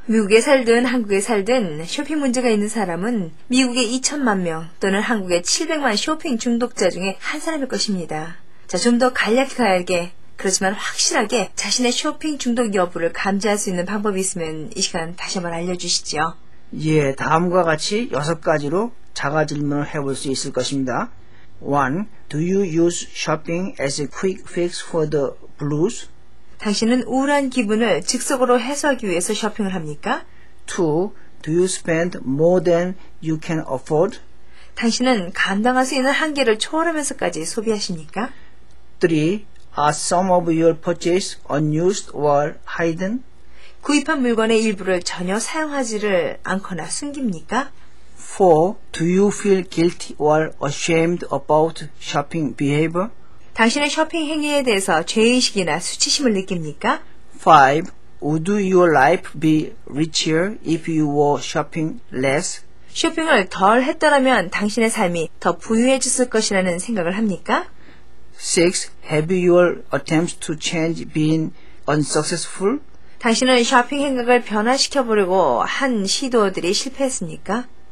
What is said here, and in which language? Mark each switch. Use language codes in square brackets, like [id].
[ko] 미국에 살든 한국에 살든 쇼핑 문제가 있는 사람은 미국의 2천만 명 또는 한국의 700만 쇼핑 중독자 중에 한 사람일 것입니다. 자, 좀 더 간략하게 그렇지만 확실하게 자신의 쇼핑 중독 여부를 감지할 수 있는 방법이 있으면 이 시간 다시 한번 알려주시죠. 예, 다음과 같이 여섯 가지로 자가 질문을 해볼 수 있을 것입니다. 1. [en] Do you use shopping as a quick fix for the blues? [ko] 당신은 우울한 기분을 즉석으로 해소하기 위해서 쇼핑을 합니까? 2. [en] Do you spend more than you can afford? [ko] 당신은 감당할 수 있는 한계를 초월하면서까지 소비하십니까? 3. [en] Are some of your purchase unused or hidden? [ko] 구입한 물건의 일부를 전혀 사용하지를 않거나 숨깁니까? 4. [en] Do you feel guilty or ashamed about shopping behavior? [ko] 당신의 쇼핑 행위에 대해서 죄의식이나 수치심을 느낍니까? 5. [en] Would your life be richer if you were shopping less? [ko] 쇼핑을 덜 했더라면 당신의 삶이 더 부유해졌을 것이라는 생각을 합니까? [en] 6. Have your attempts to change been unsuccessful? [ko] 당신은 쇼핑 행각을 변화시켜보려고 한 시도들이 실패했습니까?